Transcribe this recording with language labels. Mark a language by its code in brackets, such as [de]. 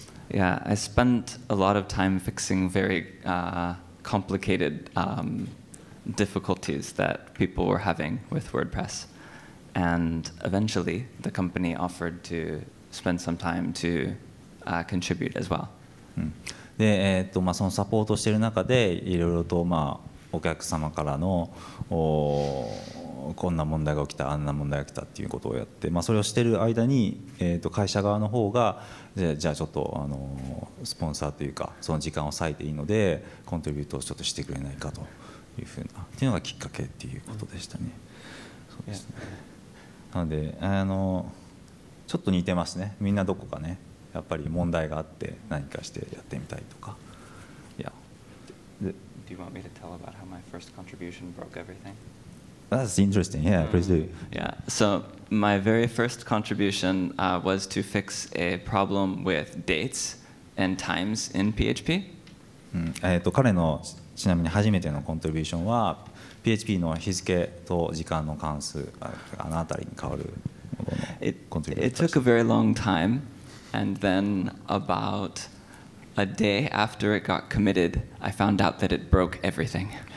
[en] Yeah, I spent a lot of time fixing very complicated difficulties that people were having with WordPress, and eventually the company offered to spend some time toContribute as well. [ja] で、そのサポートしている中でいろいろと、お客様からのこんな問題が起きたあんな問題が起きたっていうことをやって、それをしている間に、会社側の方がじゃあちょっとスポンサーというかその時間を割いていいのでコントリビュートをちょっとしてくれないかというふうなっていうのがきっかけっていうことでしたね。そうですね。なのでちょっと似てますね。みんなどこかねやっぱり問題があって何かしてやってみたいとか。 [en] Yeah. Do you want me to tell about how my first contribution broke everything? That's interesting. Yeah, please do. Yeah. So my very first contribution was to fix a problem with dates and times in PHP. [ja] 彼のちなみに初めてのコントリビューションは PHP の日付と時間の関数あのあたりに変わるものの [en] It took a very long time. And then about a day after it got committed, I found out that it broke everything.